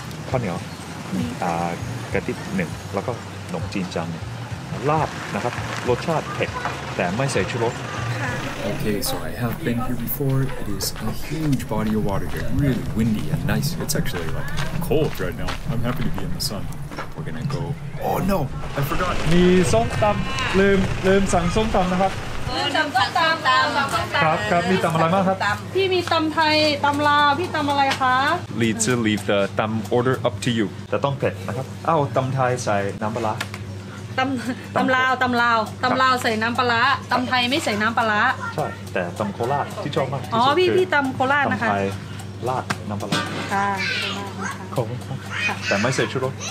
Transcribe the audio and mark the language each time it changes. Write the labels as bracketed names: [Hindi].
[Thai] ข้าวเหนียวกระติบหนึ่งแล้วก็หนมจีนจังลาบนะครับรสชาติเผ็ดแต่ไม่ใส่ชูรส [English] Okay, so I have been here before. It is a huge body of water here. Really windy and nice. It's actually like cold right now. I'm happy to be in the sun. We're gonna go. Oh no, I forgot. [Thai] มีส้มตำลืมสั่งส้มตำนะครับ ส้มตำ ครับมีตำอะไรบ้างครับ พี่มีตำไทยตำลาวพี่ตำอะไรคะ [English] Lee to leave the tam order up to you. [Thai] แต่ต้องเผ็ดนะครับเอาตำไทยใส่น้ำปลา ตำลาวใส่น้ำปลาตำไทยไม่ใส่น้ำปลา ใช่แต่ตำโคราชที่ชอบมาก อ๋อพี่ตำโคราชนะคะ ตำไทยราดน้ำปลา ค่ะ ของแต่ไม่ใส่ชูรส